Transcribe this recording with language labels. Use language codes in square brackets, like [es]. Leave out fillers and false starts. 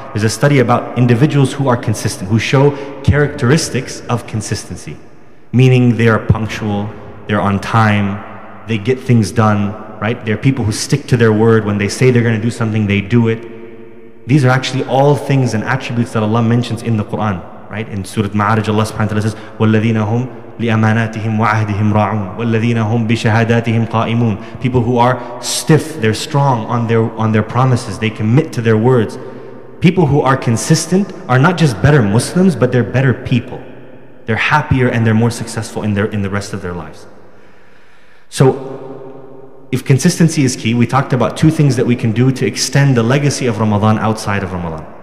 [en] There's a study about individuals who are consistent, who show characteristics of consistency. Meaning they are punctual, they're on time, they get things done, right? They're people who stick to their word. When they say they're going to do something, they do it. These are actually all things and attributes that Allah mentions in the Quran, right? In Surah Ma'arij, Allah subhanahu wa ta'ala says, [ar] وَالَّذِينَ هُمْ لِأَمَانَاتِهِمْ وَعَهْدِهِمْ رَاعُونَ وَالَّذِينَ هُمْ بِشَهَادَاتِهِمْ قَائِمُونَ. [en] People who are stiff, they're strong on their promises, they commit to their words. People who are consistent are not just better Muslims, but they're better people. They're happier and they're more successful in the rest of their lives. So, if consistency is key, we talked about two things that we can do to extend the legacy of Ramadan outside of Ramadan.